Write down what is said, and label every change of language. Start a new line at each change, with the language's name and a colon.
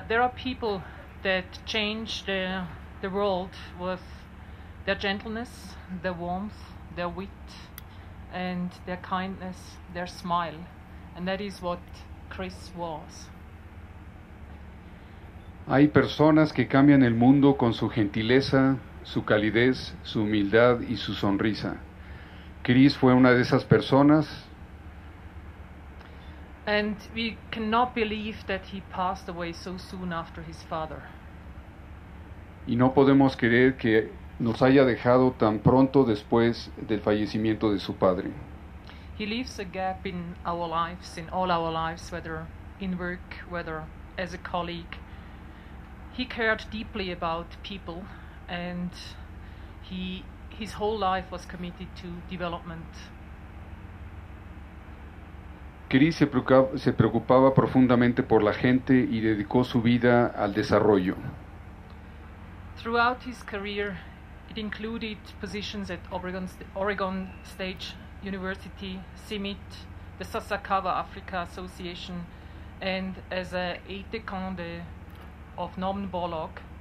English: there are people that change the world with their gentleness, their warmth, their wit, and their kindness, their smile. And that is what Chris was.
Spanish: Hay personas que cambian el mundo con su gentileza, su calidez, su humildad y su sonrisa. Chris fue una de esas personas.
English: And we cannot believe that he passed away so soon after his father.
Spanish: Y no podemos creer que nos haya dejado tan pronto después del fallecimiento de su padre.
English: He leaves a gap in our lives, in all our lives, whether in work, whether as a colleague. He cared deeply about people, and his whole life was committed to development.
Spanish: Chris se preocupaba profundamente por la gente y dedicó su vida al desarrollo.
English: Throughout his career, it included positions at Oregon State University, CIMIT, the Sasakawa Africa Association, and as a aide-de-camp of Norman Borlaug.